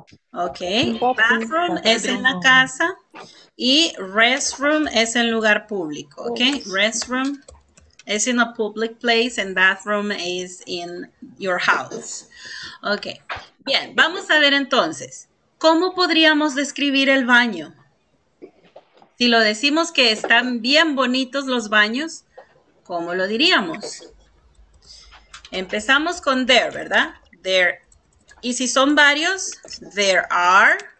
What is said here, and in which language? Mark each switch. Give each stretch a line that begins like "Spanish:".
Spanish: Ok, bathroom es en la casa y restroom es en lugar público, ok?
English: Restroom is in a public place and bathroom is in your house.
Spanish: Ok, bien, vamos a ver entonces, ¿cómo podríamos describir el baño? Si lo decimos que están bien bonitos los baños, ¿cómo lo diríamos? Empezamos con there, ¿verdad? There. Y si son varios, there are.